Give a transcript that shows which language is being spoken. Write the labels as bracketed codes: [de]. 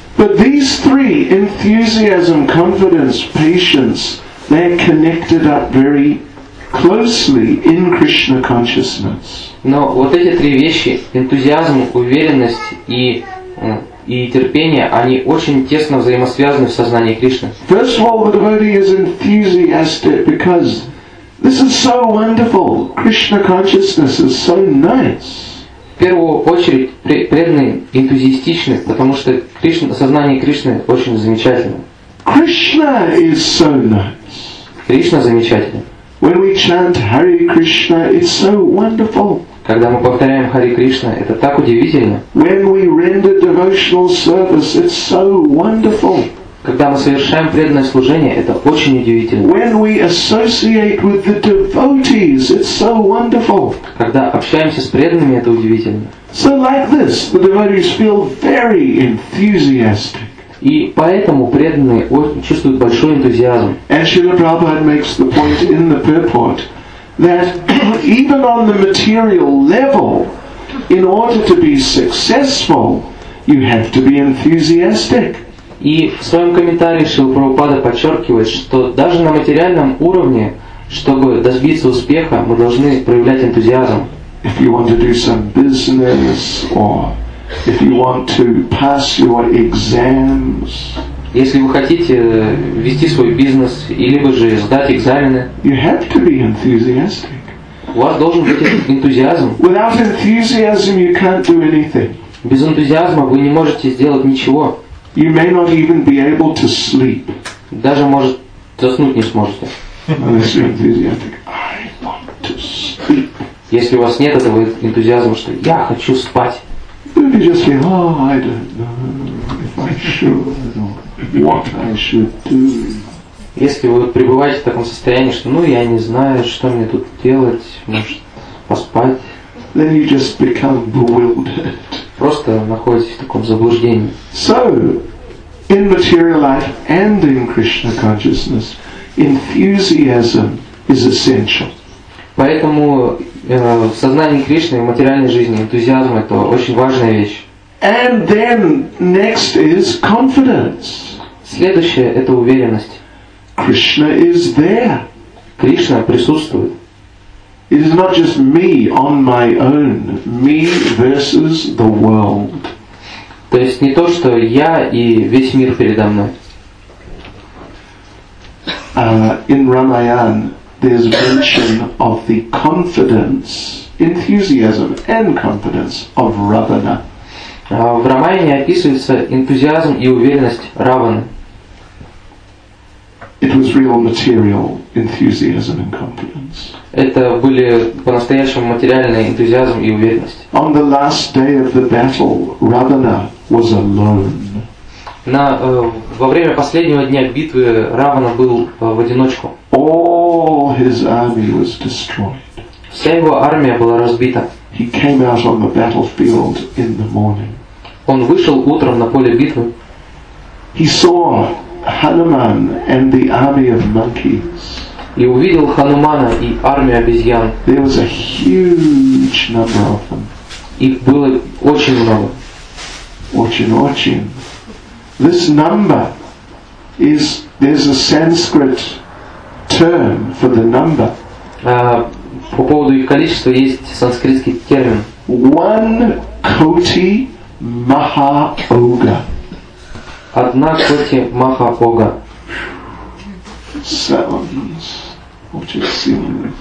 [en] But these three, enthusiasm, confidence, patience, they're connected up very closely in Krishna consciousness. [ru] Но вот эти три вещи, энтузиазм, уверенность и терпение, они очень тесно взаимосвязаны в сознании Кришны. [en] First of all, the devotee is enthusiastic because this is so wonderful. Krishna consciousness is so nice. [ru] В первую очередь, преданный энтузиастичный, потому что сознание Кришны очень замечательно. [en] Krishna is so nice. [ru] Кришна замечательный. [en] When we chant Hare Krishna, it's so wonderful. [ru] Когда мы повторяем Hare Krishna, это так удивительно. [en] When we render devotional service, it's so wonderful. [ru] Когда мы совершаем преданное служение, это очень удивительно. [en] When we associate with the devotees, it's so wonderful. [ru] Когда общаемся с преданными, это удивительно. [en] So like this, the devotees feel very enthusiastic. [ru] И поэтому преданные чувствуют большой энтузиазм. [en] And Srila Prabhupada makes the point in the purport that even on the material level, in order to be successful, you have to be enthusiastic. [ru] И в своем комментарии Шрила Прабхупада подчеркивает, что даже на материальном уровне, чтобы добиться успеха, мы должны проявлять энтузиазм. [en] If you want to do some business or if you want to pass your exams, [ru] если вы хотите вести свой бизнес или бы же сдать экзамены, [en] you have to be enthusiastic. [ru] У вас должен быть энтузиазм. [en] Without enthusiasm, you can't do anything. [ru] Без энтузиазма вы не можете сделать ничего. [en] You may not even be able to sleep. [ru] Даже может заснуть не сможете. [en] Unless you're enthusiastic, I want to sleep. [ru] Если у вас нет этого энтузиазма, что я хочу спать. [en] Don't you just say, oh, I don't know if I should or what I should do. [ru] Если вы пребываете в таком состоянии, что, ну, я не знаю, что мне тут делать, может, поспать. [en] Then you just become bewildered. [ru] Просто находитесь в таком заблуждении. [en] So, in material life and in Krishna consciousness, enthusiasm is essential. [ru] Поэтому в сознании Кришны, в материальной жизни, энтузиазм – это очень важная вещь. [en] And then next is confidence. [ru] Следующее – это уверенность. [en] Krishna is there. [ru] Кришна присутствует. [en] It is not just me on my own. Me versus the world. [ru] То есть не то, что я и весь мир передо мной. [en] In Ramayana, there's mention of the confidence, enthusiasm, and confidence of Ravana. [ru] В Рамаяне описывается энтузиазм и уверенность Раваны. [en] It was real material enthusiasm and confidence. [ru] Это были по-настоящему материальные энтузиазм и уверенность. [en] On the last day of the battle, Ravana was alone. [ru] Во время последнего дня битвы Равана был в одиночку. [en] All his army was destroyed. [ru] Вся его армия была разбита. [en] He came out on the battlefield in the morning. [ru] Он вышел утром на поле битвы. [en] He saw Hanuman and the army of monkeys. [ru] И увидел Ханумана и армию обезьян. [en] There was a huge number of them. [ru] Их было очень много. Очень-очень. [en] This number is, there's a Sanskrit term for the number. [ru] По поводу их количества есть санскритский термин. [en] One koti maha oga. [ru] Одна коти маха ога. sounds. Очень сильно.